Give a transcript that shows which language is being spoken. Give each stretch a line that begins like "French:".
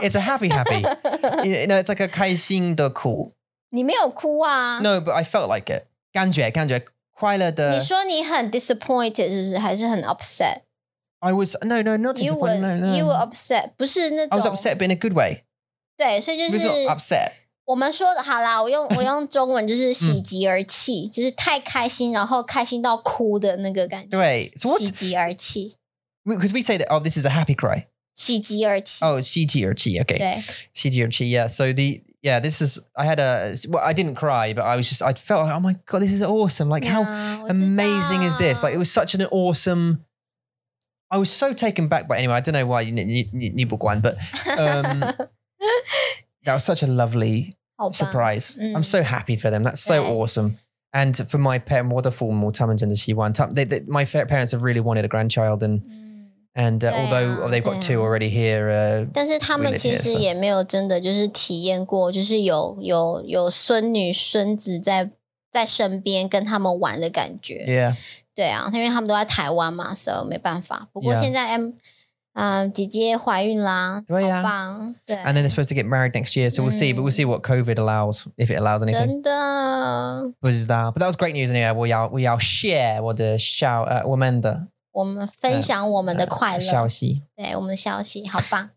English: It's a happy, happy. You know, it's like a
Chinese: 开心的哭。你没有哭啊?
English: No, but I felt like it.
Chinese: 感觉快乐的。你说你很 disappointed 是不是?还是很 upset?
English: I was, no, no, not disappointed. You were upset.
Chinese: 不是那种。
English: I was upset, but in a good way.
Chinese: 对,所以就是。
English: It was not upset.
Chinese: 我们说的好啦,我用中文就是喜极而泣,就是太开心,然后开心到哭的那个感觉。对, 喜极而泣。
English: Because we say that, oh, this is a happy cry.
Chinese: 喜极而泣。
English: Oh, 喜极而泣, okay.
Chinese: 对。
English: 喜极而泣, yeah. So the... Yeah, this is, I had a, well, I didn't cry, but I was just, I felt like, oh my God, this is awesome. Like, yeah, how amazing is this? Like, it was such an awesome, I was so taken back by, anyway, I don't know why,
Chinese: 你不管,
English: but that was such a lovely surprise. I'm so happy for them. That's so awesome. And for my parents,
Chinese: 我的父母他们真的希望,
English: my parents have really wanted a grandchild and,And although they've got two already here,
Chinese: 但是他们其实也没有真的就是体验过，就是有孙女孙子在身边跟他们玩的感觉。
English: Yeah,
Chinese: 对啊，因为他们都在台湾嘛，所以没办法。不过现在 姐姐怀孕啦，对呀，好棒。对
English: ，And then they're supposed to get married next year, so we'll see. But we'll see what COVID allows, if it allows anything.
Chinese: 真的，不知道。
English: But that was great news, anyway. We'll share
Chinese: 我的小我们的。我们分享我们的快乐消息，对我们的消息，好棒。